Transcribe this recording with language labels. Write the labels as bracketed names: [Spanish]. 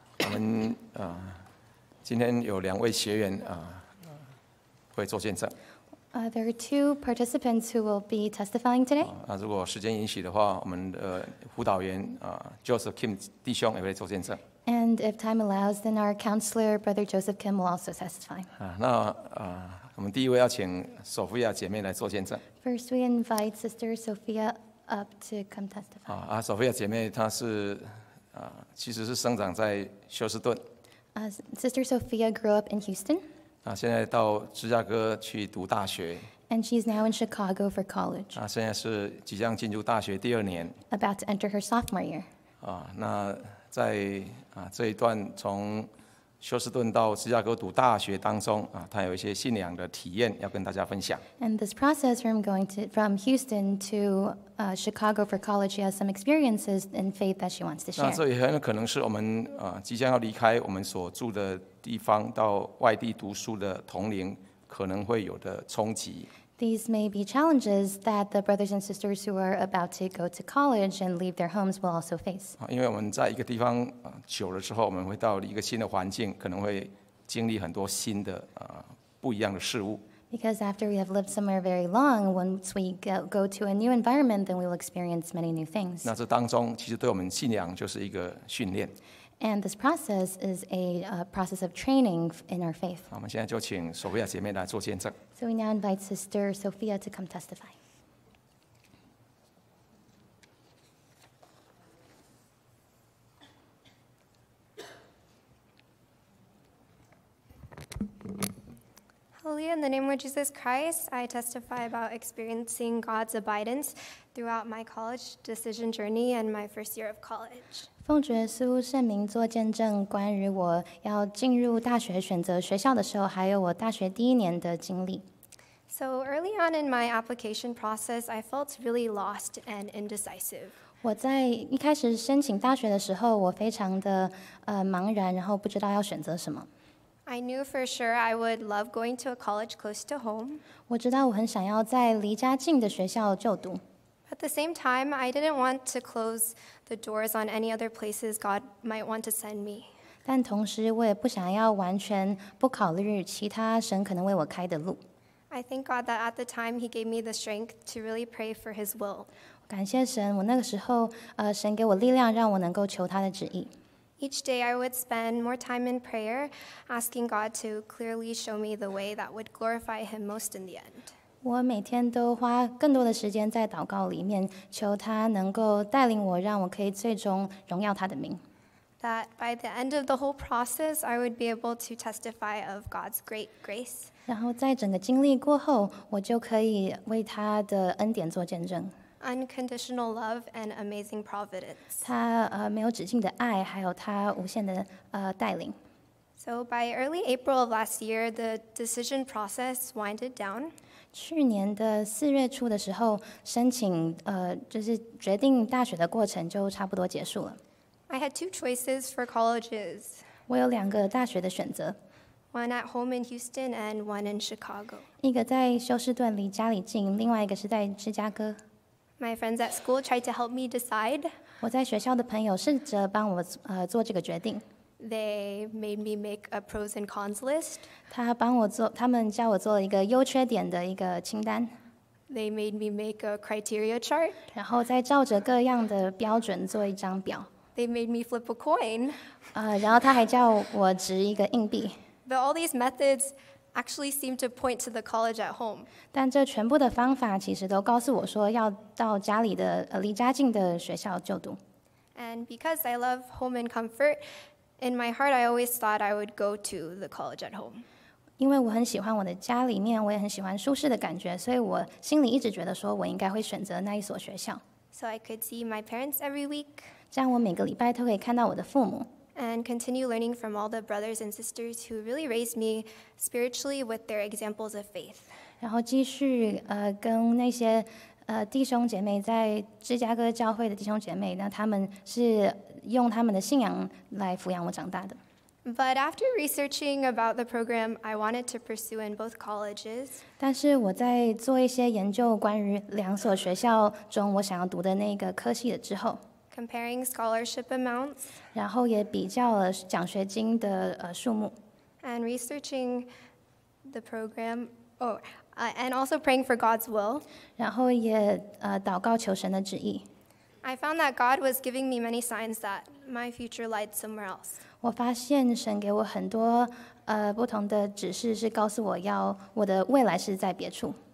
[Chinese] 们今天有两位学员会做见证。 [English] There are two participants who will be testifying today. [Chinese] 如果时间允许的话，我们的辅导员Joseph Kim 弟兄也会做见证。 [English] And if time allows, then our counselor, Brother Joseph Kim, will also testify. [Chinese] 那我们第一位要请索菲亚姐妹来做见证。 [English] First, we invite Sister Sophia up to come testify. [Chinese] 索菲亚姐妹她是其实是生长在休斯顿。 [English] Sister Sophia grew up in Houston. [Chinese] 现在到芝加哥去读大学。 [English] And she's now in Chicago for college. [Chinese] 现在是即将进入大学第二年。 [English] About to enter her sophomore year. [Chinese] 那在这一段从休斯顿到芝加哥读大学当中她有一些信仰的体验要跟大家分享。 [English] And this process from going to from Houston to Chicago for college, she has some experiences in faith that she wants to share. [Chinese] 那这也很有可能是我们即将要离开我们所住的地方到外地读书的同龄可能会有的冲击。 [English] These may be challenges that the brothers and sisters who are about to go to college and leave their homes will also face. [Chinese] 因为我们在一个地方久了之后，我们会到一个新的环境，可能会经历很多新的不一样的事物。 [English] Because after we have lived somewhere very long, once we go to a new environment, then we will experience many new things. [Chinese] 那这当中其实对我们信仰就是一个训练。 [English] And this process is a process of training in our faith. [Chinese] 我们现在就请索菲亚姐妹来做见证。 [English] So we now invite Sister Sophia to come testify. Hallelujah, in the name of Jesus Christ, I testify about experiencing God's abidance throughout my college decision journey and my first year of college. [Chinese] 奉主耶稣圣名做见证，关于我要进入大学选择学校的时候，还有我大学第一年的经历。 [English] So early on in my application process, I felt really lost and indecisive. [Chinese] 我在一开始申请大学的时候，我非常的茫然，然后不知道要选择什么。 [English] I knew for sure I would love going to a college close to home. [Chinese] 我知道我很想要在离家近的学校就读。 [English] At the same time, I didn't want to close the doors on any other places God might want to send me. [Chinese] 但同时我也不想要完全不考虑其他神可能为我开的路。 [English] I thank God that at the time he gave me the strength to really pray for his will. [Chinese] 感谢神，我那个时候，神给我力量让我能够求他的旨意。 [English] Each day I would spend more time in prayer, asking God to clearly show me the way that would glorify him most in the end. [Chinese] 我每天都花更多的时间在祷告里面，求他能够带领我，让我可以最终荣耀他的名。 [English] That by the end of the whole process, I would be able to testify of God's great grace. [Chinese] 然后在整个经历过后，我就可以为他的恩典做见证。 [English] Unconditional love and amazing providence. [Chinese] 他没有止境的爱，还有他无限的带领。 [English] So by early April of last year, the decision process winded down. [Chinese] 去年的四月初的时候，申请就是决定大学的过程就差不多结束了。 [English] I had two choices for colleges. [Chinese] 我有两个大学的选择。 [English] One at home in Houston and one in Chicago. [Chinese] 一个在休斯顿离家里近，另外一个是在芝加哥。 [English] My friends at school tried to help me decide. [Chinese] 我在学校的朋友试着帮我做这个决定。 [English] They made me make a pros and cons list. [Chinese] 他们叫我做一个优缺点的一个清单。 [English] They made me make a criteria chart. [Chinese] 然后再照着各样的标准做一张表。 [English] They made me flip a coin. [Chinese] 然后他还叫我掷一个硬币。 [English] But all these methods actually seem to point to the college at home. [Chinese] 但这全部的方法其实都告诉我说要到家里的离家近的学校就读。 [English] And because I love home and comfort, in my heart, I always thought I would go to the college at home. [Chinese] 因为我很喜欢我的家里面，我也很喜欢舒适的感觉，所以我心里一直觉得说我应该会选择那一所学校。 [English] So I could see my parents every week. [Chinese] 这样我每个礼拜都可以看到我的父母。 [English] And continue learning from all the brothers and sisters who really raised me spiritually with their examples of faith. [Chinese] 然后继续跟那些弟兄姐妹在芝加哥教会的弟兄姐妹，那他们是用他们的信仰来抚养我长大的。 [English] But after researching about the program, I wanted to pursue in both colleges. [Chinese] 但是我在做一些研究关于两所学校中我想要读的那个科系的之后。 [English] comparing scholarship amounts, [Chinese] 然后也比较了奖学金的数目 [English] and researching the program, and also praying for God's will, [Chinese] 然后也祷告求神的旨意。 [English] I found that God was giving me many signs that my future lied somewhere else. [Chinese] 我发现神给我很多不同的指示，是告诉我要我的未来是在别处。